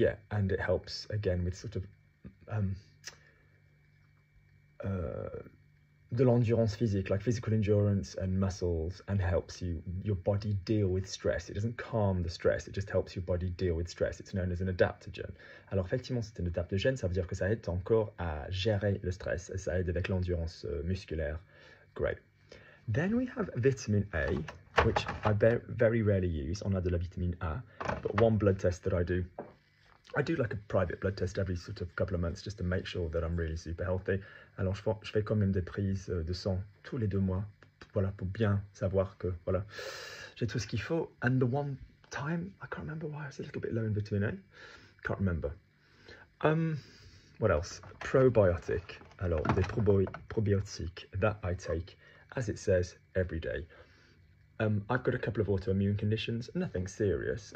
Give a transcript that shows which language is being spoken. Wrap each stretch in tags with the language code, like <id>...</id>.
<en>And it helps again with sort of</en> <fr>de l'endurance physique,</fr> <en>like physical endurance and muscles, and helps your body deal with stress. It doesn't calm the stress, it just helps your body deal with stress. It's known as an adaptogen.</en> <fr>Alors effectivement, c'est un adaptogène, ça veut dire que ça aide encore à gérer le stress, et ça aide avec l'endurance musculaire.</fr> <en>Great. Then we have vitamin A, which I very rarely use.</en> <fr>On a de la vitamine A,</fr> <en>but one blood test that I do like a private blood test every sort of couple of months just to make sure that I'm really super healthy.</en> <fr>Alors je fais quand même des prises de sang tous les deux mois, voilà, pour bien savoir que voilà, j'ai tout ce qu'il faut.</fr> <en>And the one time, I can't remember why, I was a little bit low in vitamin A. Can't remember. What else? Probiotic.</en> <fr>Alors des probiotiques</fr> <en>that I take, as it says, every day. I've got a couple of autoimmune conditions, nothing serious.</en>